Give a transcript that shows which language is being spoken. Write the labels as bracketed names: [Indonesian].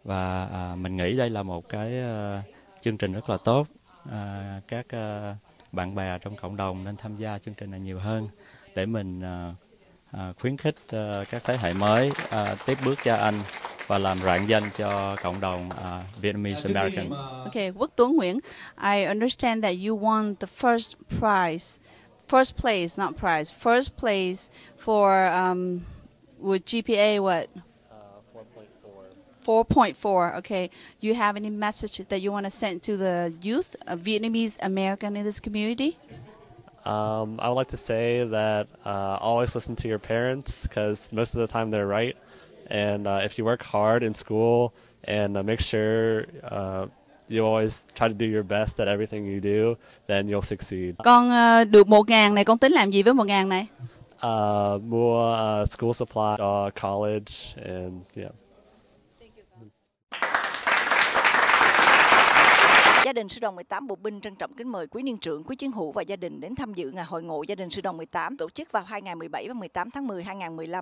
[Vietnamese] Và mình nghĩ đây là một cái chương trình rất là tốt. Các bạn bè trong cộng đồng nên tham gia chương trình này nhiều hơn để mình khuyến khích các thế hệ mới tiếp bước cha anh và làm rạng danh cho cộng đồng [English] Vietnamese Americans. Okay, Quốc Tuấn Nguyễn, I understand that you won the first place for with GPA what? 4.4. Okay. You have any message that you want to send to the youth of Vietnamese American in this community? I would like to say that always listen to your parents because most of the time they're right. And if you work hard in school and make sure you always try to do your best at everything you do, then you'll succeed. [Vietnamese] Con được 1,000 này, con tính làm gì với 1,000 này? Mua [English] school supply, college, and yeah. [Vietnamese] Gia đình Sư đoàn 18 Bộ Binh trân trọng kính mời quý niên trưởng, quý chiến hữu và gia đình đến tham dự ngày hội ngộ gia đình Sư đoàn 18 tổ chức vào hai ngày 17 và 18 tháng 10 2015.